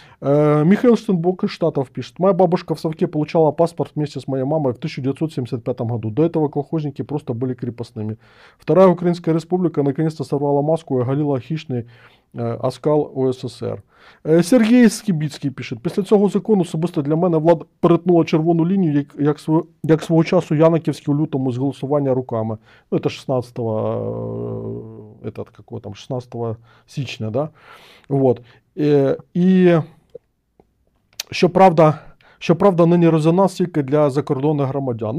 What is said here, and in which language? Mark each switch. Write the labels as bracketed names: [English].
[Russian] Михаил Штенбок из Штатов пишет: моя бабушка в Совке получала паспорт вместе с моей мамой в 1975 году. До этого колхозники просто были крепостными. Вторая Украинская республика наконец-то сорвала маску и оголила хищный оскал УССР. [Ukrainian] Сергей Скибіцький [Russian] пишет: [Ukrainian] після цього закону особисто для мене влада перетнула червону лінію, як свого часу Яниківський у лютому з голосування руками. [Russian] Ну, это 16-го, этот, какого там, [Ukrainian] 16 січня, [Russian] да? Вот. [Ukrainian] І щоправда, нині резонанс тільки для закордонних громадян.